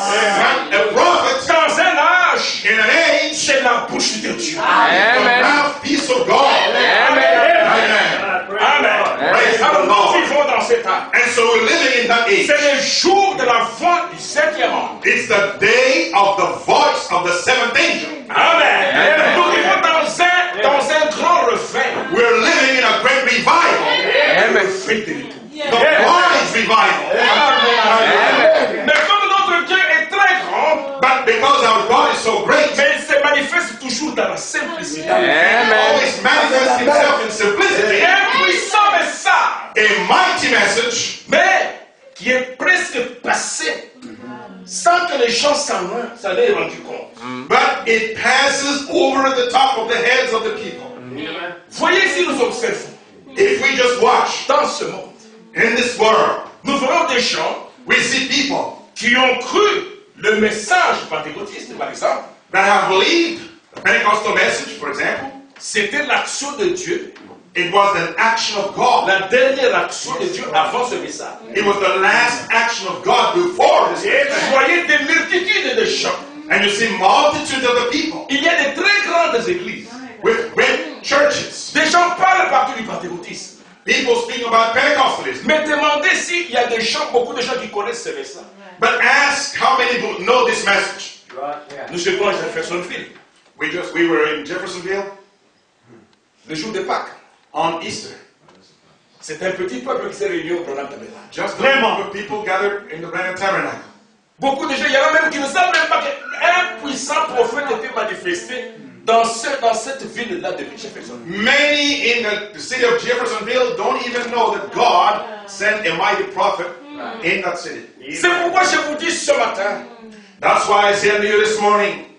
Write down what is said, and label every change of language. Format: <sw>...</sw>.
<en>Amen. A prophet.</en> <fr>Dans un âge.</fr> <en>In an age.</en> <fr>C'est la bouche de Dieu.</fr> <en>Amen. The mouthpiece of God. Amen. Amen. Amen. Praise the Lord.</en> <fr>Nous vivons dans cet âge.</fr> <en>And so we're living in that age.</en> <fr>C'est le jour de la voix du septième ange.</fr> <en>It's the day of the voice of the seventh angel. Amen. Amen.</en> <fr>Nous vivons dans un grand refrain.</fr> <en>We're living in a great revival. Amen. The bride's revival. Amen.</en> <fr>Mais comme notre Dieu est très grand.</fr> <en>But because our God is so great.</en> <fr>Mais il se manifeste toujours dans la simplicité.</fr> <en>Amen. He always manifests himself in simplicity.</en> <fr>Un puissant message.</fr> <en>A mighty message.</en> <fr>Mais qui est presque passé. Sans que les gens s'en aient rendu compte.</fr> <en>But it passes over the top of the heads of the people.</en> <fr>Voyez si nous observons.</fr> <en>If we just watch.</en> <fr>Dans ce monde.</fr> <en>In this world,</en> <fr>nous voyons des gens,</fr> <en>we see people</en> <fr>qui ont cru le message pentecôtiste, par exemple,</fr> <en>that have believed the Pentecostal message, for example.</en> <fr>C'était l'action de Dieu.</fr> <en>It was an action of God.</en> <fr>La dernière action de Dieu avant ce message.</fr> <en>It was the last action of God before this.</en> <fr>Et vous voyez des multitudes de gens.</fr> <en>And you see multitudes of the people.</en> <fr>Il y a de très grandes églises.</fr> <en>With great churches.</en> <fr>Des gens parlent partout du pentecôtisme.</fr> <en>People speak about Pentecostalism.</en> <fr>Mais demandez s'il y a des gens, beaucoup de gens qui connaissent ce message.</fr> <en>But ask how many people know this message.</en> <fr>Nous étions à Jeffersonville.</fr> <en>We were in Jeffersonville.</en> <fr>Le jour de Pâques.</fr> <en>On Easter.</en> <fr>C'est un petit peuple qui s'est réuni au Grand Tabernacle.</fr> <en>Just a group of people gathered in the Grand Tabernacle.</en> <fr>Beaucoup de gens, il y en a même qui ne savent même pas qu'un puissant prophète était manifesté. Dans cette ville-là de Jeffersonville.</fr> <en>Many in the city of Jeffersonville don't even know that God sent a mighty prophet in that city.</en> <fr>C'est pourquoi je vous dis ce matin.</fr> <en>That's why I say to you this morning.</en>